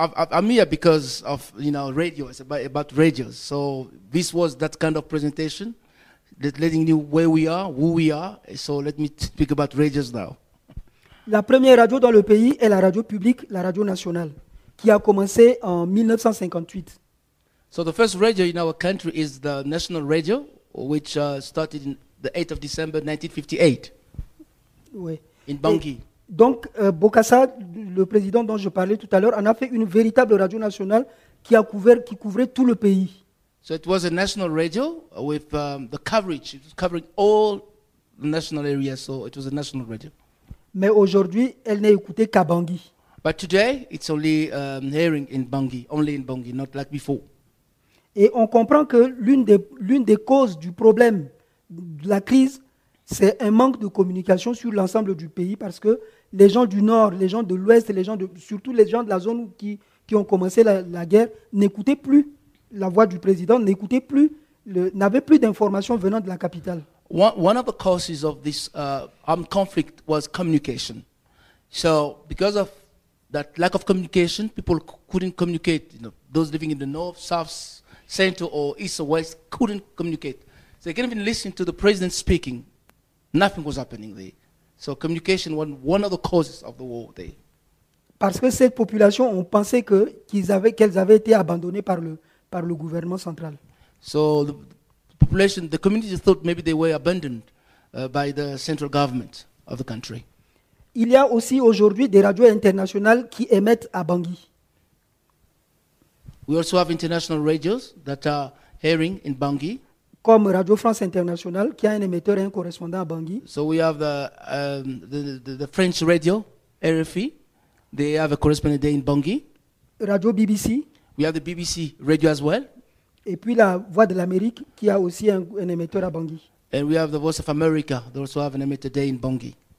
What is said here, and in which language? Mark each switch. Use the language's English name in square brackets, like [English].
[English] I'm here because of, you know, radio. It's about radios. So this was that kind of presentation. Letting you where we are, who we are. So let me speak about radios now. [French] La première radio dans le pays est la radio publique, la radio nationale, qui a commencé en 1958. [English] So the first radio in our country is the national radio, which started in the 8th of December 1958. [French] Oui. [English] In Bangui. [French] Et donc Bokassa, le président dont je parlais tout à l'heure, en a fait une véritable radio nationale qui couvrait tout le pays. [English] So it was a national radio with the coverage. It was covering all the national areas, so it was a national radio. [French] Mais aujourd'hui, elle n'est écoutée qu'à Bangui. [English] But today, it's only hearing in Bangui, only in Bangui, not like before. [French] Et on comprend que l'une des causes du problème, de la crise, c'est un manque de communication sur l'ensemble du pays, parce que les gens du nord, les gens de l'ouest, surtout les gens de la zone qui ont commencé la guerre, n'écoutaient plus. La voix du président n'écoutait plus, n'avait plus d'informations venant de la capitale. [English] One of the causes of this armed conflict was communication. So, because of that lack of communication, people couldn't communicate. You know, those living in the north, south, center, or east or west couldn't communicate. So they couldn't even listen to the president speaking. Nothing was happening there. So communication was one of the causes of the war there. [French] Parce que cette population, on pensait qu'elles avaient été abandonnées par le gouvernement central. [English] So the population, the communities thought maybe they were abandoned by the central government of the country. [French] Il y a aussi aujourd'hui des radios internationales qui émettent à Bangui. [English] We also have international radios that are airing in Bangui. [French] Comme Radio France Internationale qui a un émetteur et un correspondant à Bangui. [English] So we have the French radio, RFI. They have a correspondent there in Bangui. Radio BBC. We have the BBC radio as well. [French] Et puis la Voix de l'Amérique qui a aussi un émetteur à Bangui. [English] And we have the Voice of America. They also have an emitter there in Bangui.